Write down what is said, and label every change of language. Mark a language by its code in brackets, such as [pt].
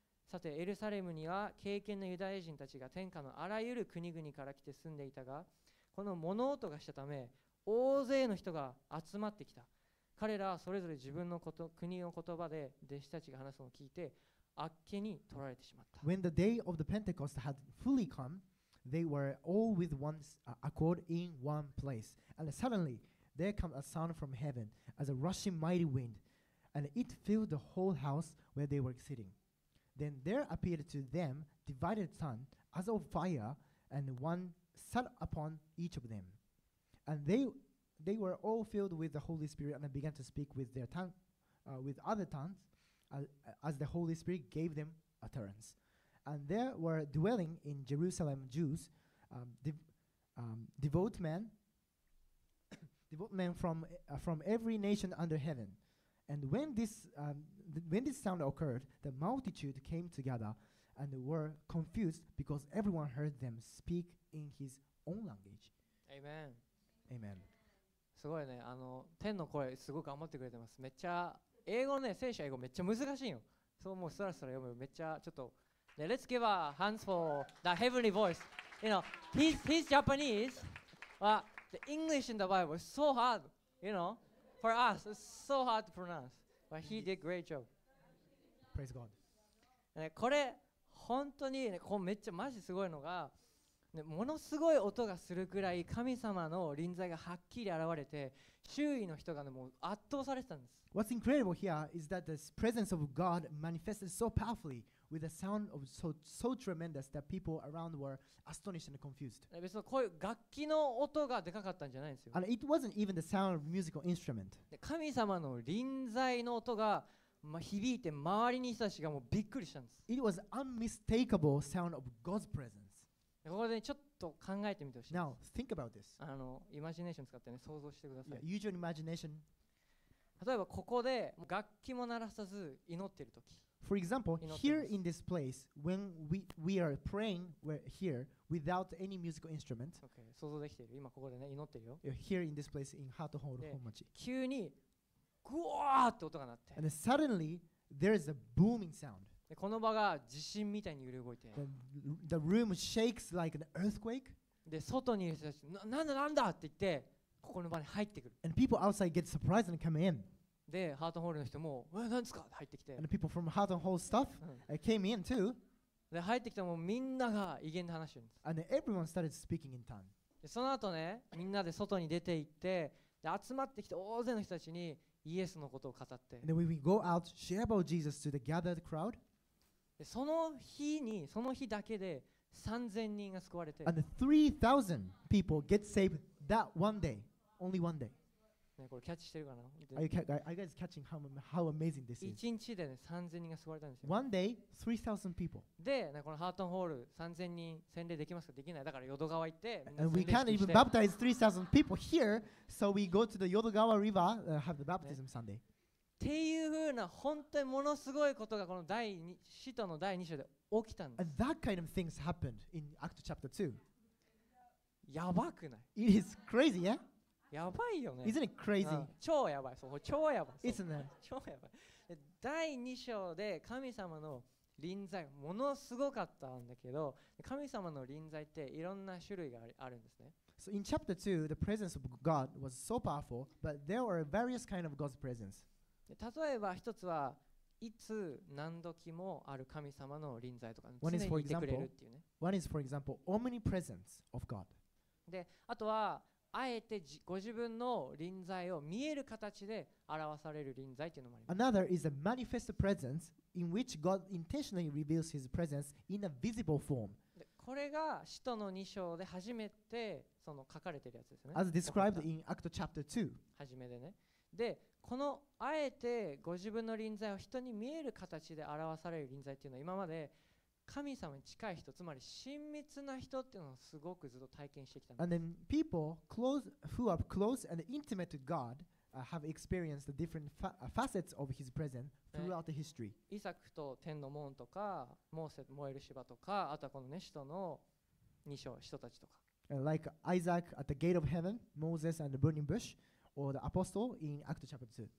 [ja] さてエルサレムには敬虔のユダヤ人たちが天下のあらゆる国々から来て住んでいたが、この物音がしたため大勢の人が集まってきた。彼らはそれぞれ自分のこと国の言葉で弟子たちが話すのを聞いて、あっけに取られてしまった。 [en] When the day of the Pentecost had fully come, they were all with one accord in one place. And suddenly there came a sound from heaven as a rushing mighty wind, and it filled the whole house where they were sitting. Then there appeared to them divided tongues as of fire, and one sat upon each of them. And they were all filled with the Holy Spirit and began to speak with their tongue, with other tongues, as the Holy Spirit gave them utterance. And there were dwelling in Jerusalem Jews, devout men from every nation under heaven. And when this sound occurred, the multitude came together and were confused because everyone heard them speak in his own language. Amen. Amen. [ja] すごいね、あの天の声すごく頑張ってくれてます。めっちゃ英語ね、聖書英語めっちゃ難しいよ。そうもうそらそら読む、めっちゃちょっと、ね、 [en] Let's give a hands for the heavenly voice. You know, he's Japanese, but the English in the Bible is so hard, you know, for us, it's so hard to pronounce. But he did great job. Praise God.、 [ja] ね、これ本当に、ね、こうめっちゃマジすごいのが、ね、ものすごい音がするくらい神様の臨在がはっきり現れて、周囲の人が、ね、もう圧倒されてたんです。 [en] What's incredible here is that the presence of God manifested so powerfully with a sound of so tremendous that people around were astonished and confused. [ja] 別にこういう楽器の音がでかかったんじゃないんですよ。 [en] And it wasn't even the sound of musical instrument. [ja] 神様の臨在の音が、まあ、響いて周りに人たちがもうびっくりしたんです。 [en] It was unmistakable sound of God's presence [ja] ここでちょっと考えてみてほしいです。 [en] Now, think about this. [ja] あのイマジネーション使ってね、想像してください。 [en] Yeah, use your imagination. [ja] 例えばここで楽器も鳴らさず祈っているとき。 [en] For example, here in this place, when we are praying here without any musical instrument. [ja] Okay, 想像できている。今ここでね、祈ってるよ。 [en] You're here in this place in Hato Hall, Hommachi. [ja] 急にグワーって音が鳴って。 [en] And suddenly, there is a booming sound. [ja] でこの場が地震みたいに揺れ動いて、 [en] the room shakes like an earthquake. [ja] で外にいる人たち、なんだって言ってここの場に入ってくる。 [en] And people outside get surprised and come in. [ja] でハートンホールの人も、え、なんですかって入ってきて。 [en] And the people from Hart and Hall stuff came in too. [ja] で入ってきたもうみんなが異言で話してるんです。 [en] And everyone started speaking in tongue. [ja] でその後ね、みんなで外に出て行って、で集まってきて大勢の人たちにイエスのことを語って。 [en] And then we go out share about Jesus to the gathered crowd. [ja] その日に、その日だけで3000人が救われて、 [en] and 3000 people get saved that one day, only one day. [ja] ね、これキャッチしてるかな。 [en] Are you guys catching how amazing this is? [ja] 一日でね、3000人が救われたんですよ。 [en] One day, 3000 people. [ja] で、ね、このハートンホール3000人洗礼できますかできない。だから淀川行って、 [en] and we can't even baptize 3000 people here, so we go to the Yodogawa River, have the baptism、ね、Sunday. [ja] っていう風な本当にものすごいことがこの第二使徒の第二章で起きたんです。 [en] And that kind of things happened in Act chapter 2. [ja] やばくない [en] ？It is crazy, yeah? [ja] やばいよね。 [en] Isn't it crazy? [ja] 超やばい、そう、超やばい。 [en] Isn't it? [ja] 超やばい。第二章で神様の臨在ものすごかったんだけど、神様の臨在っていろんな種類があるんですね。 [en] So in chapter 2, the presence of God was so powerful, but there were various kind of God's presence. [ja] 例えば一つはいつ何時もある神様の臨在とか常にいてくれるっていうね。 [en] One is for example omnipresence of God. [ja] で、あとはあえてご自分の臨在を見える形で表される臨在っていうのもあります。 [en] Another is a manifest presence in which God intentionally reveals His presence in a visible form. [ja] これが使徒の二章で初めてその書かれてるやつですね。 [en] As described in Act chapter 2. [ja] 初めでね。で、このあえてご自分の臨在を人に見える形で表される臨在っていうのは今まで神様に近い人、つまり親密な人っていうのをすごくずっと体験してきたんです。 [en] And then people close, who are close and intimate to God、have experienced the different facets of His presence throughout the history. [ja] イサクと天の門とか、モーセ燃える芝とか、あとはこのね、使徒の二章、人たちとか。 [en] Like Isaac at the gate of heaven, Moses and the burning bush, or the apostle in Acts chapter 2.